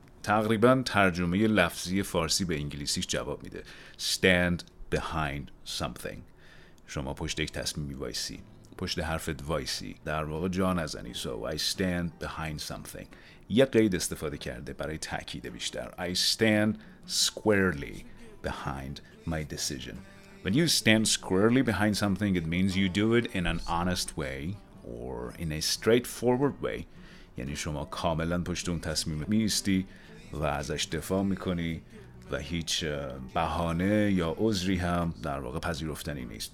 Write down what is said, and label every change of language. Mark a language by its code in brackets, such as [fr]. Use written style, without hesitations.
[fa] تقریبا ترجمه لفظی فارسی به انگلیسیش جواب میده. [en] Stand behind something. [fa] شما پشت یک تصمیمی وایسی. پشت حرفت وایسی. در واقع جا نزنی. [en] So I stand behind something. [fa] یه قید استفاده کرده برای تأکید بیشتر. [en] I stand squarely behind my decision. When you stand squarely behind something, it means you do it in an honest way or in a straightforward way. [fa] یعنی شما کاملا پشت اون تصمیم میستی و ازش دفاع میکنی و هیچ بهانه یا عذری هم در واقع پذیرفتنی نیست.